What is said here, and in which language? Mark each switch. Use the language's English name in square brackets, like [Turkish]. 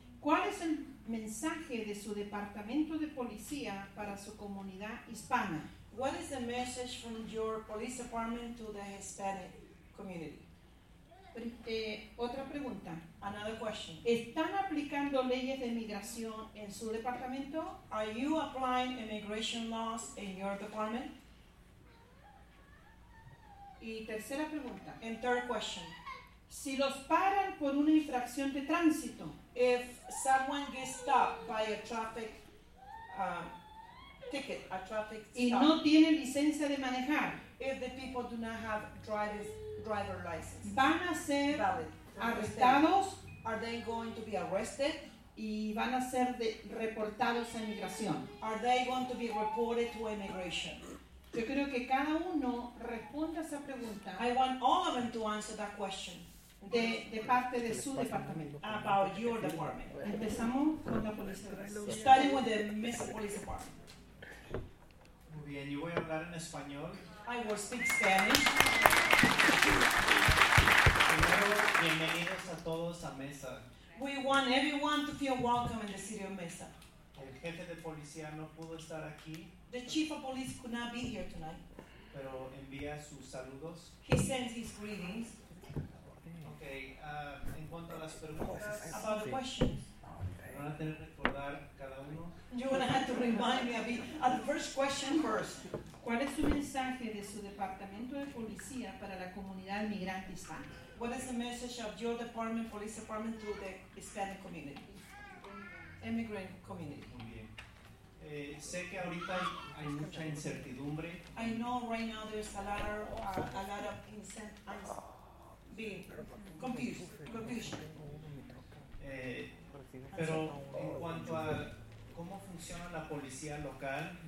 [Spanish] ¿cuál es el mensaje de su departamento de policía para su comunidad hispana? [English] What is the message from your police department to the Hispanic community? [Spanish] Otra pregunta. [English] Another question. [Spanish] ¿Están aplicando leyes de migración en su departamento? [English] Are you applying immigration laws in your department? [Spanish] Y tercera pregunta. [English] And third question. [Spanish] Si los paran por una infracción de tránsito. [English] If someone gets stopped by a traffic ticket, a traffic stop. [Spanish] Y no tiene licencia de manejar. [English] If the people do not have driver license. [Spanish] Van a ser valid, arrestados. [English] Are they going to be arrested? [Spanish] Y van a ser reportados a inmigración. [English] Are they going to be reported to immigration? [Spanish] Yo creo que cada uno responda esa pregunta. [English] I want all of them to answer that question. [Spanish] De parte de su departamento. [English] About your department. [Spanish] Empezamos con la policía. [English] Starting with the Miss Police Department. [Spanish] Muy bien, yo voy a hablar en español. [English] I will speak Spanish. [Spanish] Primero, bienvenidos a todos a Mesa. [English] We want everyone to feel welcome in the city of Mesa. [Spanish] El jefe de policía no pudo estar aquí. [English] The chief of police could not be here tonight. [Spanish] Pero envía sus saludos. [English] He sends his greetings. [Spanish] Okay, en cuanto a las preguntas. [English] About the questions. [Spanish] Van a tener que recordar cada uno. [English] You're going to have to remind me of it. The first question first. [Spanish] ¿Cuál es su mensaje de su departamento de policía para la comunidad migrante hispana? [English] What is the message of your department, police department, to the Hispanic community? Immigrant community. [Spanish] Muy bien. Sé que ahorita hay mucha incertidumbre. [English] I know right now there's a lot of confusion. [Spanish] Pero en cuanto a cómo funciona la policía local,